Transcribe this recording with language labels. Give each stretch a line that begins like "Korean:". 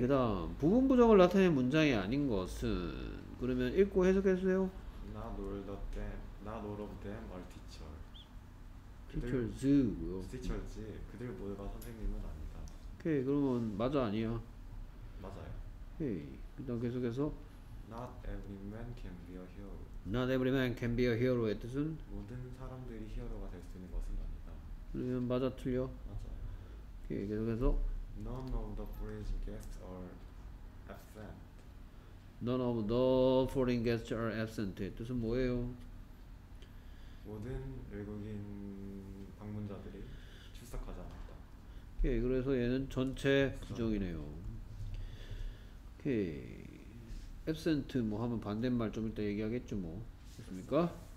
Korean: 그 다음 부분 부정을 나타낸 문장이 아닌 것은 그러면 읽고 해석해주세요.
English: Not all of them, not all of them are teachers. Teachers. Teachers.
Korean: 그들 모두가 선생님은 아니다. 오케이. 그러면 맞아 아니야? 맞아요. 오케이. 일단 계속해서
English: Not every man can be a hero. Not every man can be a hero의 뜻은?
Korean: 모든 사람들이 히어로가 될 수 있는 것은 아니다. 그러면 맞아 틀려? 맞아요. 오케이. 계속해서
English: None of the foreign guests are absent. None of the foreign guests are absent의
Korean: 뜻은 뭐예요? 모든 외국인 방문자들이 출석하지 않았다. 오케이. 그래서 얘는 전체 부정이네요. 오케이. absent 뭐 하면 반대말 좀 이따 얘기하겠죠 뭐. 됐습니까?